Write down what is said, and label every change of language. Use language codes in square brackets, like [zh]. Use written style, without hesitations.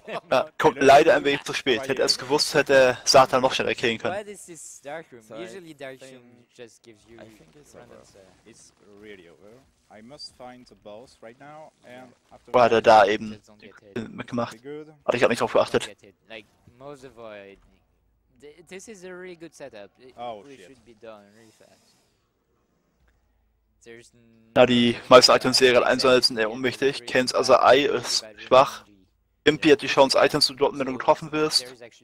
[de] Ja, kommt leider ein wenig zu spät. Hätte er es gewusst, hätte er Satan noch schneller killen können. Was ist Dark Room? [en] Usually Dark Room just gives you... I think it's over. It's really over. I must find the boss right now, and... [de] Wo hat er da eben mitgemacht? Aber ich hab nicht drauf geachtet. [en] Like, most of all, this is a really good setup. Oh, it should be done really fast. [de] Na, die meisten Items, die gerade einsammelt, sind eher unwichtig. Ken's Other Eye ist schwach. Impy hat die Chance, Items zu droppen, wenn du getroffen wirst.